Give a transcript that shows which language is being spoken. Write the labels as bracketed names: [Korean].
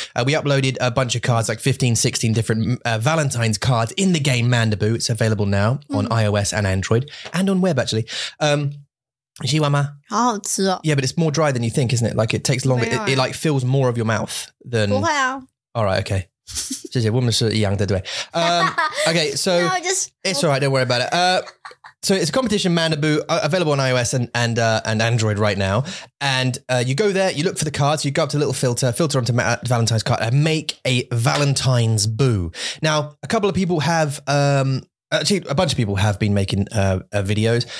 [English] We uploaded a bunch of cards, like 15, 16 different Valentine's cards in the game Mandibu. It's available now on iOS and Android, and on web actually. [Chinese] 你喜欢吗? 好好吃哦. [English] Yeah, but it's more dry than you think, isn't it? Like it takes longer, it like fills more of your mouth than... [Chinese] 不会啊. [English] All right, okay. [Chinese] 谢谢,我们是一样的,对不对? [English] Okay, so it's all right, don't worry about it. So it's a competition, Mandibu, available on iOS and Android right now. And you go there, you look for the cards, you go up to a little filter onto Valentine's card, and make a Valentine's boo. Now, a couple of people have, actually a bunch of people have been making videos.